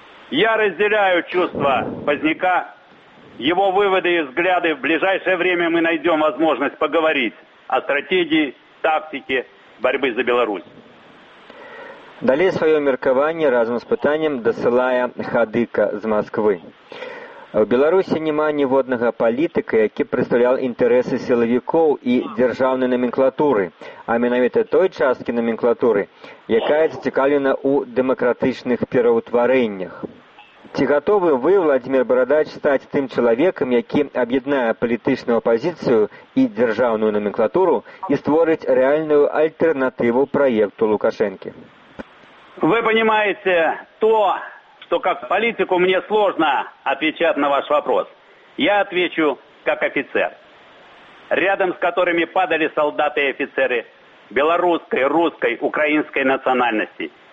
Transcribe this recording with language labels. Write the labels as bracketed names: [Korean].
[Russian] Я разделяю чувства Поздняка, его выводы и взгляды. В ближайшее время мы найдем возможность поговорить о стратегии, тактике борьбы за Беларусь. Далее свое меркование разом с питанием досылая Хадыка из Москвы. [Belarusian] В Беларусі нема ніводнага палітыка, які прадстаўляў інтарэсы сілавікоў і дзяржаўнай наменклатуры, а менавіта той часткі наменклатуры, якая зацікаўлена ў дэмакратычных пераўтварэннях. Ці гатовы вы, Владзімір Барадач, стаць тым чалавекам, які аб'яднае палітычную апазіцыю і дзяржаўную наменклатуру і створыць рэальную альтэрнатыву праекту Лукашэнкі? [Russian] Вы понимаете, то как политику мне сложно отвечать на ваш вопрос. Я отвечу как офицер, рядом с которыми падали солдаты и офицеры белорусской, русской, украинской национальности.